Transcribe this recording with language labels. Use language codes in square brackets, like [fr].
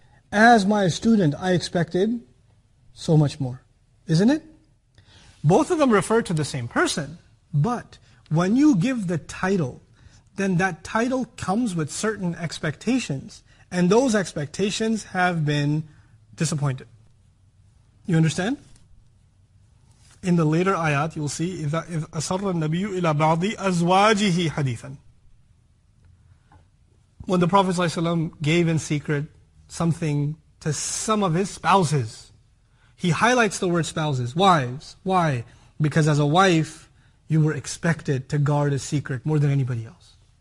[en] As my student, I expected so much more, isn't it? Both of them refer to the same person, but when you give the title, then that title comes with certain expectations, and those expectations have been disappointed. You understand? In the later ayat, you'll see, [ar] إِذْ أَصَرَّ النَّبِيُّ إِلَىٰ بَعْضِ أَزْوَاجِهِ حَدِيثًا. [en] When the Prophet ﷺ gave in secret something to some of his spouses, he highlights the word spouses, wives. Why? Because as a wife, you were expected to guard a secret more than anybody else.